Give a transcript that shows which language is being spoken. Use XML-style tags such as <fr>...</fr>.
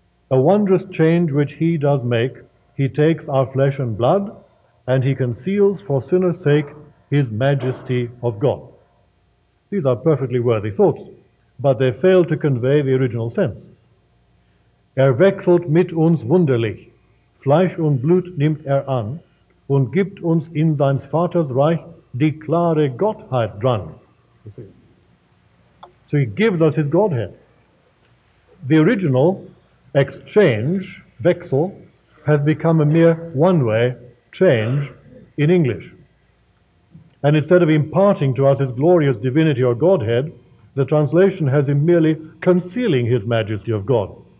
<en>A wondrous change which He does make, He takes our flesh and blood, and He conceals for sinners' sake His majesty of God. These are perfectly worthy thoughts, but they fail to convey the original sense.</en> <de>Wechselt mit uns wunderlich, Fleisch und Blut nimmt an, und gibt uns in seines Vaters Reich die klare Gottheit dran.</de> <en>So He gives us His Godhead. The original exchange, Wechsel, has become a mere one-way change in English. And instead of imparting to us his glorious divinity or Godhead, the translation has him merely concealing his majesty of God.</en>